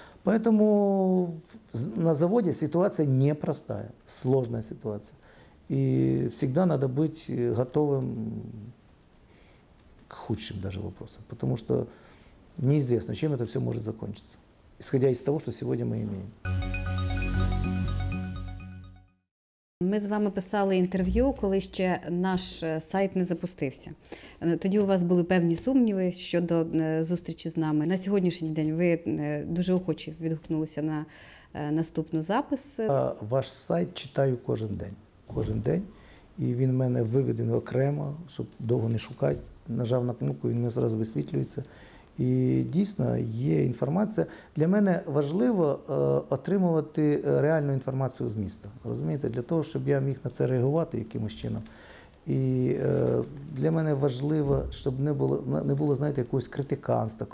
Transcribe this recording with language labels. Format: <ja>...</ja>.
<ru>Поэтому на заводе ситуация непростая, сложная ситуация. И всегда надо быть готовым к худшим даже вопросам, потому что неизвестно, чем это все может закончиться. Исходя из того, что сегодня мы имеем.</ru> <uk>Ми з вами писали інтерв'ю, коли ще наш сайт не запустився. Тоді у вас були певні сумніви щодо зустрічі з нами. На сьогоднішній день ви дуже охоче відгукнулися на наступну запис. Ваш сайт читаю кожен день. Кожен день. І він в мене виведений окремо, щоб довго не шукати. Нажав на кнопку, він мені зразу висвітлюється. І дійсно є інформація. Для мене важливо отримувати реальну інформацію з міста. Розумієте, для того, щоб я міг на це реагувати якимось чином. І для мене важливо, щоб не було, знаєте, якогось критиканства.</uk>